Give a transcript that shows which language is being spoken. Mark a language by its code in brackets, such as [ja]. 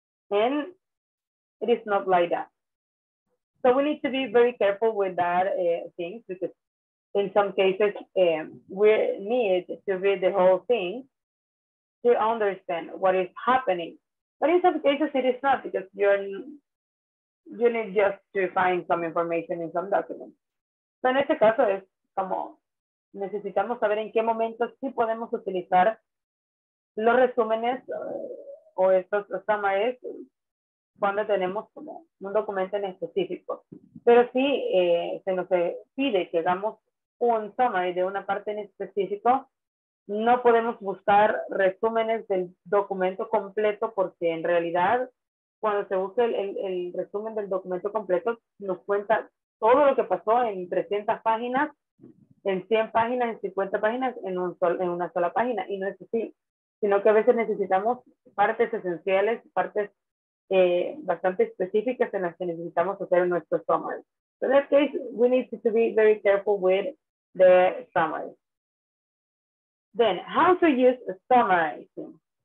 [en] And it is not like that. So we need to be very careful with that thing, because in some cases we need to read the whole thing to understand what is happening. But in some cases it is not, because you need just to find some information in some document. So [es] en este caso es como necesitamos saber en qué momento sí podemos utilizar los resúmenes o estos summaries, cuando tenemos como un documento en específico. Pero sí se nos pide que hagamos un summary de una parte en específico, no podemos buscar resúmenes del documento completo, porque en realidad cuando se busca el resumen del documento completo nos cuenta todo lo que pasó en 300 páginas, en 100 páginas, en 50 páginas, en una sola página, y no es así. Sino que a veces necesitamos partes esenciales, partes bastante específicas en las que necesitamos hacer nuestro summary. [en] So in that case, we need to be very careful with the summary. Then, how to use summarizing?